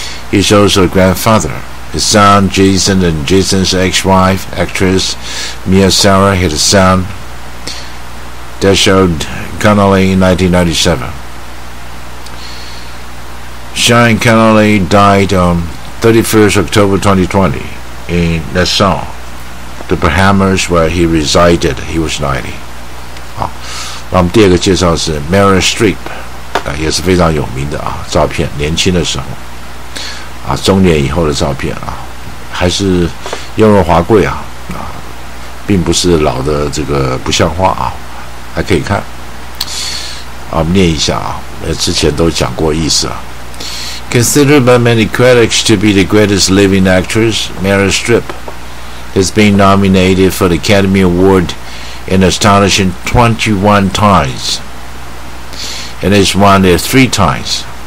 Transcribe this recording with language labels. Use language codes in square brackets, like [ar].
[en] He's also a grandfather. His son Jason and Jason's ex-wife, actress Mia Sara, had a son, Deshaud Connolly, in 1997. Shine Connolly died on 31st October 2020 in Nassau, the Bahamas, where he resided. He was 90. [zh] 我们第二个介绍是 Meryl Streep, 也是非常有名的照片，年轻的时候，中年以后的照片，还是雍容华贵，并不是老的这个不像话。还可以看，我们念一下之前都讲过意思。 [en] Considered by many critics to be the greatest living actress, Meryl Streep has been nominated for the Academy Award an astonishing 21 times and has won it 3 times.